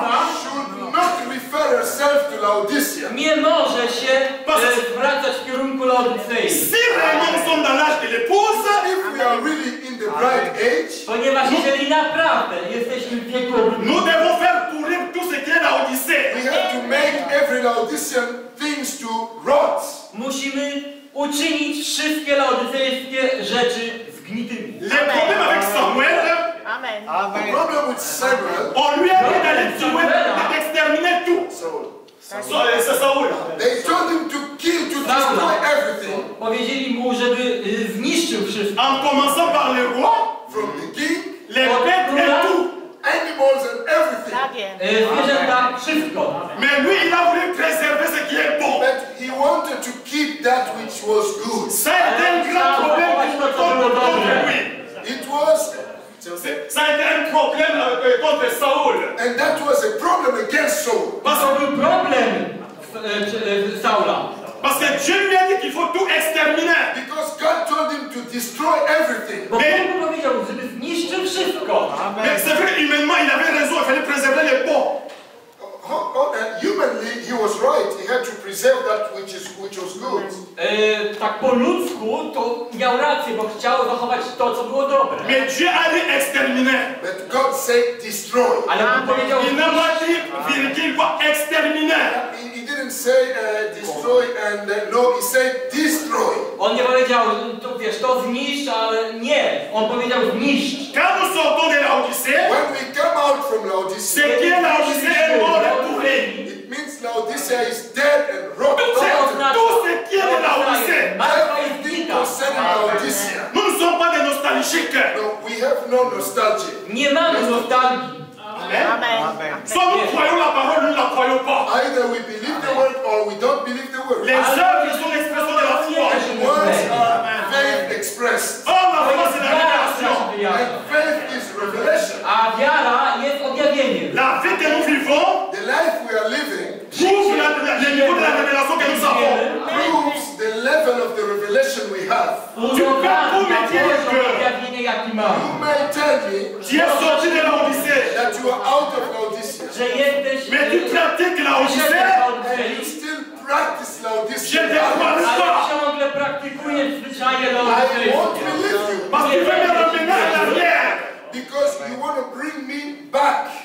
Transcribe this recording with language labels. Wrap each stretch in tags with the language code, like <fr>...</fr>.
<en>Not refer herself to Laodicea.</en> <pl>Nie może się zwracać w kierunku Laodicei.</pl> <fr>Si vraiment sommes dans l'âge de l'épouse,</fr> <en>if we are really in the bright age,</en> <pl>ponieważ jeżeli naprawdę jesteśmy w wieku,</pl> <fr>nous devons faire pourrir tout ce qui est Laodicea.</fr> <en>We have to make every Laodicean things to rot.</en> <pl>Musimy uczynić wszystkie laodicejskie rzeczy zgnitymi.</pl> <fr>Le problème avec Samuel. Amen.</fr> <en>The problem with Samuel.</en> <fr>On lui a dit d'aller tuer, d'exterminer tout. Saul. Saul.</fr> <en>They told him to kill, to destroy everything.</en> <pl>Powiedzieli mu, żeby zniszczył wszystko.</pl> <fr>En commençant par le roi,</fr> <en>from the king,</en> <fr>les bêtes et tout,</fr> <en>animals and everything.</en> <pl>Zwierzęta, wszystko.</pl> <fr>Mais lui, il a voulu préserver ce qui est bon.</fr> <en>But he wanted to keep that which was good.</en> <fr>C'est un grand problème contre lui.</fr> <en>It was.</en> <fr>Ça a été un problème contre Saul.</fr> <en>And that was a problem against Saul.</en> <fr>Parce que le problème Saul. Parce que Dieu lui a dit qu'il faut tout exterminer.</fr> <en>Because God told him to destroy everything.</en> <fr>Mais on ne peut pas dire que c'est vrai, humainement, il avait raison, il fallait préserver les bons.</fr> <en>And humanly, he was right. He had to preserve that which was good.</en> <pl>Tak po ludzku to miał rację, bo chciał zachować to, co było dobre.</pl> <fr>Mais Dieu a dit exterminer.</fr> <en>But God said destroy.</en> <pl>Ale on powiedział,</pl> <fr>il n'a pas dit virgule quoi exterminer.</fr> <en>He didn't say destroy and no, he said destroy.</en> <pl>On nie powiedział, to wiesz, to zniszcz, ale nie. On powiedział zniszcz.</pl> <fr>Quand nous sortons de l'Odyssée,</fr> <en>when we come out from l'Odyssée,</en> <fr>c'est qui l'Odyssée mort et pourri.</fr> <en>It means l'Odyssée is dead and rotten.</en> <fr>Tout ce qui est de l'Odyssée.</fr> <en>Everything concerning l'Odyssée.</en> <fr>Nous ne sommes pas des nostalgiques.</fr> <en>No, we have no nostalgia.</en> <pl>Nie mamy nostalgii.</pl> <fr>Soit nous croyons la parole, nous ne la croyons pas.</fr> <en>Either we believe the word or we don't believe the word.</en> <fr>Les œuvres sont l'expression de la foi.</fr> <en>Words are faith expressed.</en> <fr>Oh, la foi c'est la révélation.</fr> <en>And faith is revelation.</en> <pl>A wiara jest objawienie.</pl> <fr>La vie que nous vivons.</fr> <en>The life we are living.</en> <fr>Prouve le niveau de la révélation que nous avons.</fr> <en>Proves the level of the revelation we have.</en> <fr>Tu peux vous me dire que.</fr> <en>You may tell me that you are out of Laodicea.</en> <fr>Mais tu pratiques Laodicea?</fr> <en>And you still practice Laodicea?</en> <fr>Je ne parle pas.</fr> <en>I won't believe you.</en> <fr>Parce que tu veux me ramener en arrière.</fr> <en>Because you want to bring me back.</en>